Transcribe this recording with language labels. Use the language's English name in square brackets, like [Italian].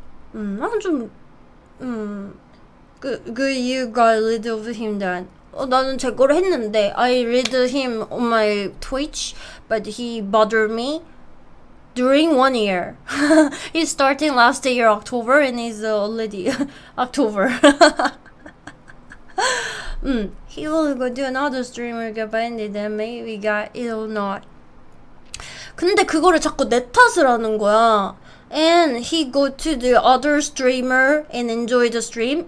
[Korean] 나는 좀 [English] you got rid of him then [Korean] 나는 제 거를 했는데 [English] I read him on my Twitch but he bothered me During 1 year. He's starting last year, October, and he's already October. He will go do another streamer, get banned, then maybe got it or not. [Korean] 근데 그거를 자꾸 내 탓을 하는 거야. [English] And he go to the other streamer and enjoy the stream.